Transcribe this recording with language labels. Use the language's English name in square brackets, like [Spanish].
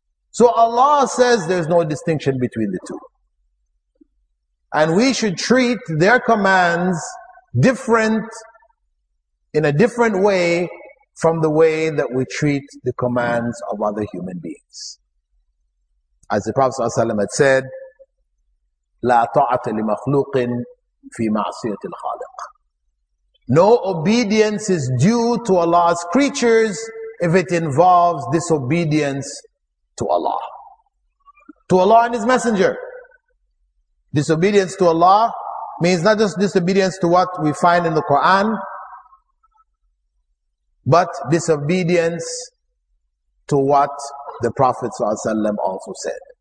[English] So Allah says there's no distinction between the two. And we should treat their commands different, in a different way from the way that we treat the commands of other human beings. As the Prophet ﷺ had said, [Arabic] لا طاعة لمخلوق في معصية الخالق. [English] No obedience is due to Allah's creatures if it involves disobedience to Allah. To Allah and His Messenger. Disobedience to Allah means not just disobedience to what we find in the Quran, but disobedience to what the Prophet ﷺ also said.